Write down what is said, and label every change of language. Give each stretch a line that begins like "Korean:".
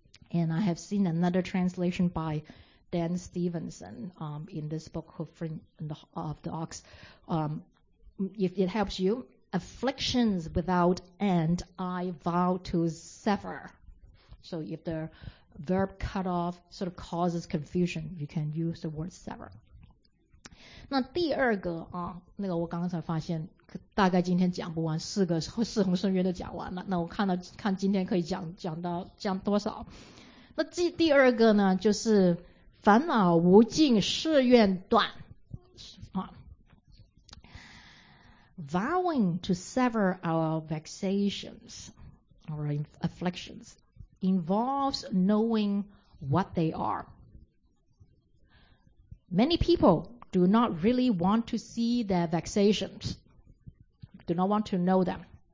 English: And I have seen another translation by Dan Stevenson in this book, of the Ox. If it helps you, afflictions without end, I vow to sever. So if the verb cut off sort of causes confusion, you can use the word sever.
Chinese: 那第二个啊，那个我刚才发现大概今天讲不完，四弘誓愿都讲完了，那我看今天可以讲多少。那第二个呢，就是烦恼无尽誓愿断啊。
English: vowing to sever our vexations or afflictions involves knowing what they are. Many people do not really want to see their vexations, do not want to know them.